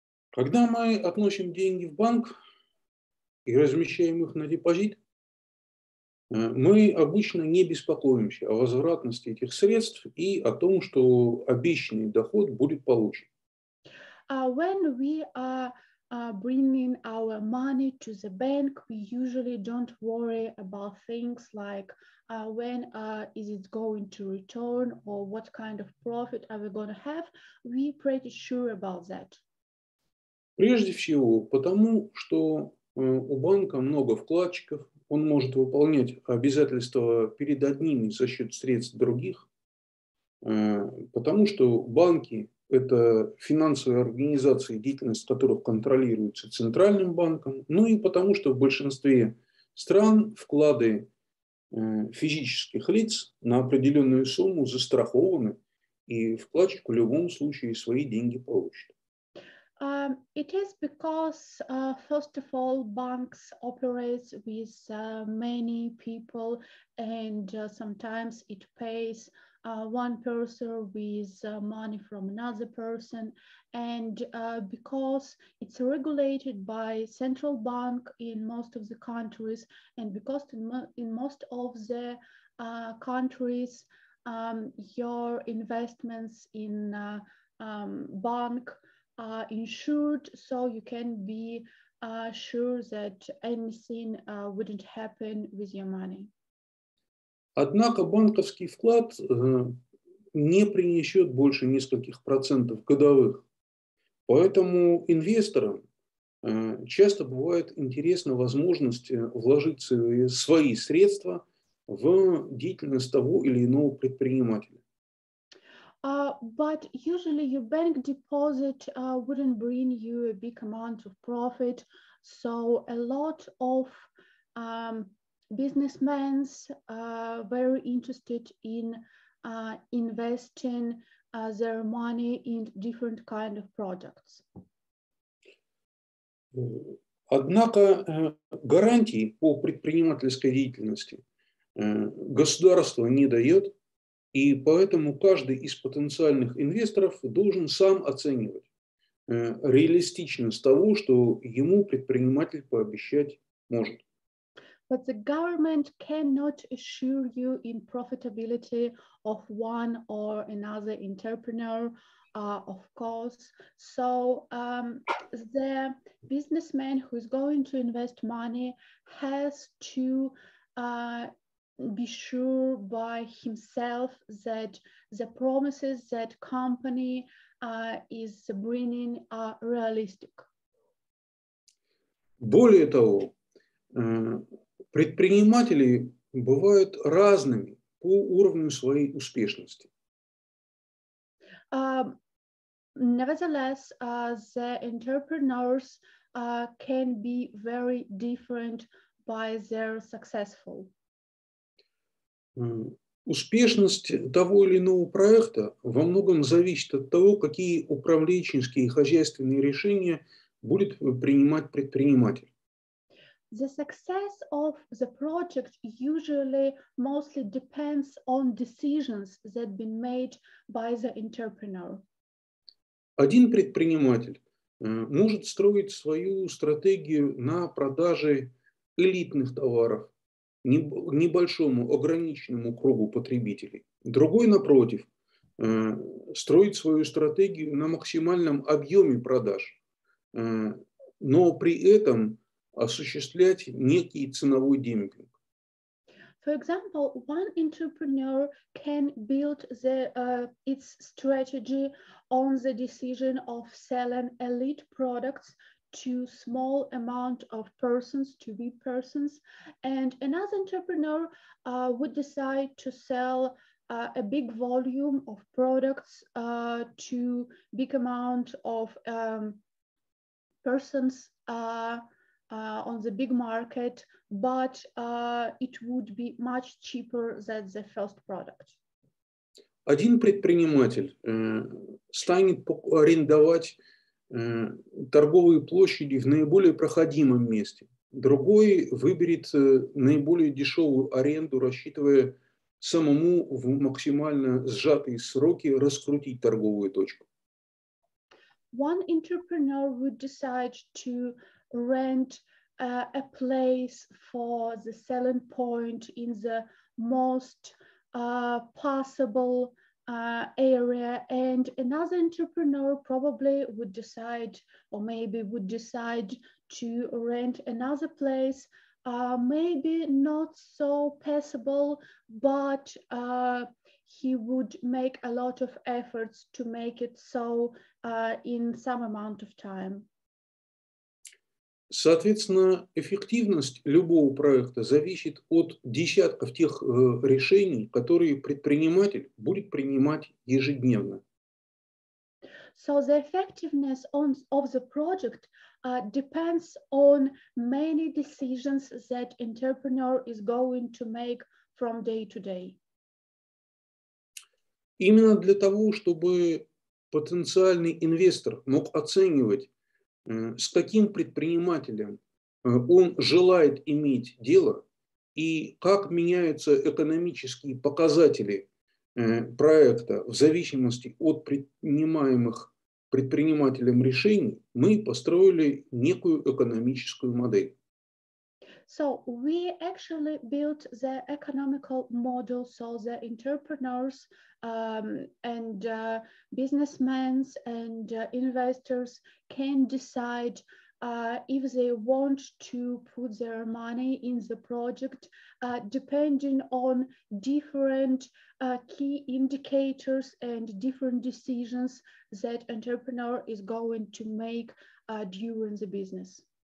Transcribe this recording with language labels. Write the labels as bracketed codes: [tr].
[ru] Когда мы относим деньги в банк и размещаем их на депозит, мы обычно не беспокоимся о возвратности этих средств и о том, что обещанный доход будет получен. [en] When we are bringing our money to the bank, we usually don't worry about things like when is it going to return or what kind of profit are we going to have. We pretty sure about that. [ru] Прежде всего, потому что у банка много вкладчиков, он может выполнять обязательства перед одними за счет средств других, потому что банки – это финансовые организации, деятельность которых контролируется центральным банком, ну и потому что в большинстве стран вклады физических лиц на определенную сумму застрахованы, и вкладчик в любом случае свои деньги получит. [en] It is because, first of all, banks operate with many people, and sometimes it pays one person with money from another person. And because it's regulated by central bank in most of the countries, and because in most of the countries, your investments in bank are insured, so you can be sure that anything wouldn't happen with your money. [ru] Однако банковский вклад не принесет больше нескольких процентов годовых, поэтому инвесторам часто бывает интересна возможность вложить свои средства в деятельность того или иного предпринимателя. [en] But usually your bank deposit wouldn't bring you a big amount of profit. So a lot of businessmen are very interested in investing their money in different kind of products. [ru] Однако гарантии по предпринимательской деятельности государство не дает. И поэтому каждый из потенциальных инвесторов должен сам оценивать реалистичность того, что ему предприниматель пообещать может. [en] But the government cannot assure you in profitability of one or another entrepreneur, of course. So the businessman who is going to invest money has to be sure by himself that the promises that company is bringing are realistic. [ru] Более того, предприниматели бывают разными по уровню своей успешности. [en] Nevertheless, the entrepreneurs can be very different by their successful. [ru] Успешность того или иного проекта во многом зависит от того, какие управленческие и хозяйственные решения будет принимать предприниматель. [en] The success of the project usually mostly depends on decisions that have been made by the entrepreneur. [ru] Один предприниматель может строить свою стратегию на продаже элитных товаров, небольшому ограниченному кругу потребителей. Другой, напротив, строит свою стратегию на максимальном объеме продаж, но при этом осуществлять некий ценовой демпинг. [en] For example, one entrepreneur can build the its strategy on the decision of selling elite products to small amount of persons, to be persons, and another entrepreneur would decide to sell a big volume of products to big amount of persons on the big market, but it would be much cheaper than the first product. [ru] Один предприниматель станет арендовать торговые площади в наиболее проходимом месте. Другой выберет наиболее дешевую аренду, рассчитывая самому в максимально сжатые сроки раскрутить торговую точку. [en] One entrepreneur would decide to rent a place for the selling point in the most possible area, and another entrepreneur probably would decide, or maybe would decide, to rent another place, maybe not so passable, but he would make a lot of efforts to make it so in some amount of time. [ru] Соответственно, эффективность любого проекта зависит от десятков тех решений, которые предприниматель будет принимать ежедневно. [en] So the effectiveness of the project depends on many decisions that entrepreneur is going to make from day to day. [ru] Именно для того, чтобы потенциальный инвестор мог оценивать, с каким предпринимателем он желает иметь дело и как меняются экономические показатели проекта в зависимости от принимаемых предпринимателем решений, мы построили некую экономическую модель. [en] So we actually built the economical model so the entrepreneurs and businessmen and investors can decide if they want to put their money in the project depending on different key indicators and different decisions that entrepreneur is going to make during the business.